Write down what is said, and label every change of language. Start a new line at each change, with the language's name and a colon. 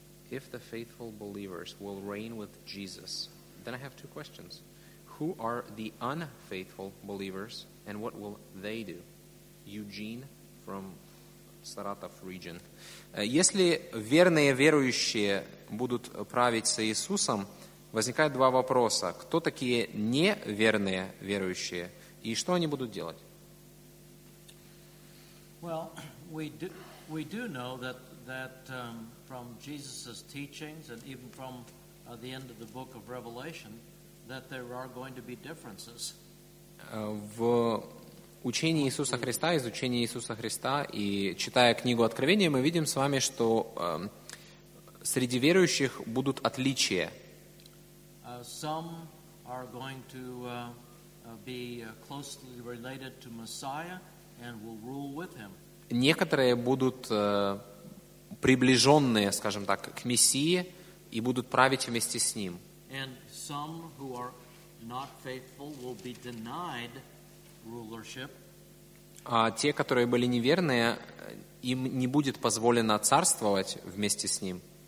English: If the faithful believers will reign with Jesus, then I have two questions. Who are the unfaithful believers and what will they do? Eugene from Saratov region.
Russian: Если верные верующие будут править с Иисусом, возникает два вопроса. Кто такие неверные верующие и что они будут делать?
English: Well, we do know that from Jesus' teachings and even from the end of the book of Revelation, that there are going to be differences.
Russian: В учении Иисуса Христа, изучении Иисуса Христа и читая книгу Откровения, мы видим с вами, что среди верующих будут отличия.
English: Some are going to be closely related to Messiah and will rule with him.
Russian: Некоторые будут приближенные, скажем так, к Мессии и будут править вместе с Ним.
English: And some who are not faithful will be denied rulership.
Russian: А те, которые были неверные, им не будет позволено царствовать вместе с Ним.